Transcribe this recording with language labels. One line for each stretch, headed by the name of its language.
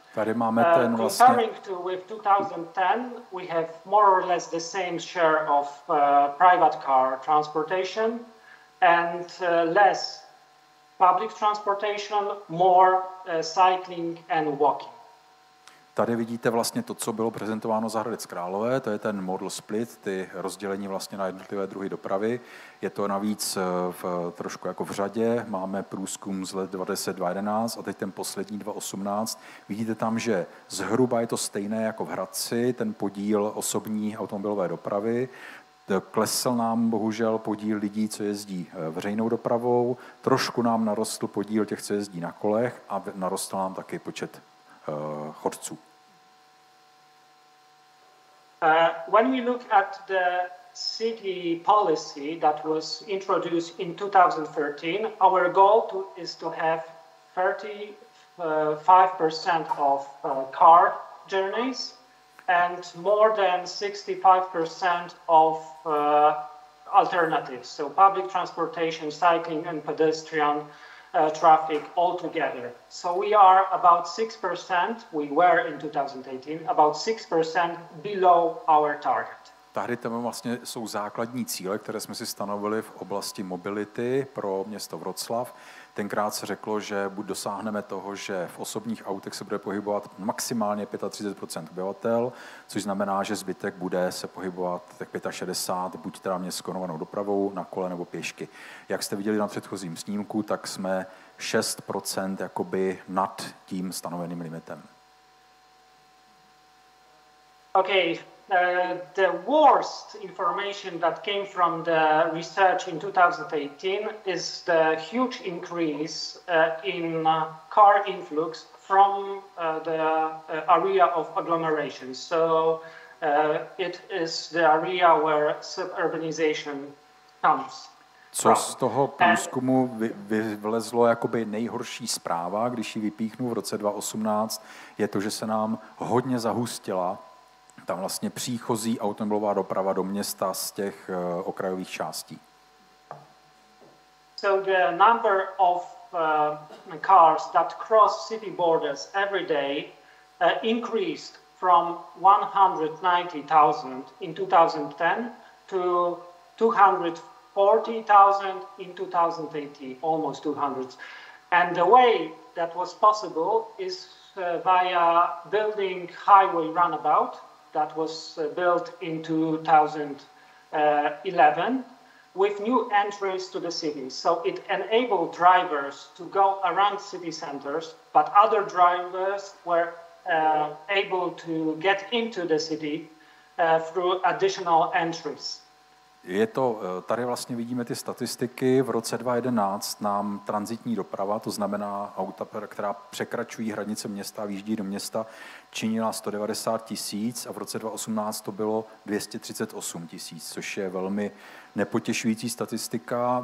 Czech: Tady máme ten vlastně...
English: Comparing to with 2010, we have more or less the same share of private car transportation and less public transportation, more cycling and walking.
Czech: Tady vidíte vlastně to, co bylo prezentováno za Hradec Králové, to je ten model split, ty rozdělení vlastně na jednotlivé druhy dopravy. Je to navíc v, trošku jako v řadě, máme průzkum z let 2010-2011 a teď ten poslední 2018. Vidíte tam, že zhruba je to stejné jako v Hradci, ten podíl osobní automobilové dopravy. Klesl nám bohužel podíl lidí, co jezdí veřejnou dopravou, trošku nám narostl podíl těch, co jezdí na kolech a narostl nám taky počet chodců.
English: When we look at the city policy that was introduced in 2013, our goal is to have 35% of car journeys and more than 65% of alternatives, so public transportation, cycling and pedestrian traffic altogether. So we are about 6%, we were in 2018, about 6% below our target.
Czech: Tady tam vlastně jsou základní cíle, které jsme si stanovili v oblasti mobility pro město Wroclaw. Tenkrát se řeklo, že buď dosáhneme toho, že v osobních autech se bude pohybovat maximálně 35% obyvatel, což znamená, že zbytek bude se pohybovat tak 65, buď teda městskonovanou dopravou, na kole nebo pěšky. Jak jste viděli na předchozím snímku, tak jsme 6% jakoby nad tím stanoveným limitem.
English: OK. The worst information that came from the research in 2018 is the huge increase in car influx from the area of agglomeration. So it is the area where suburbanization comes.
Czech: Co z toho průzkumu vylezlo jakoby nejhorší zpráva, když ji vypíchnu v roce 2018, je to, že se nám hodně zahustila tam vlastně příchozí automobilová doprava do města z těch okrajových částí.
English: So the number of cars that cross city borders every day increased from 190,000 in 2010 to 240,000 in 2018, almost 200. And the way that was possible is via building highway runabout that was built in 2011 with new entries to the city. So it enabled drivers to go around city centers, but other drivers were able to get into the city through additional entries.
Czech: Je to, tady vlastně vidíme ty statistiky, v roce 2011 nám tranzitní doprava, to znamená auta, která překračují hranice města a vyjíždí do města, činila 190 tisíc a v roce 2018 to bylo 238 tisíc, což je velmi nepotěšující statistika.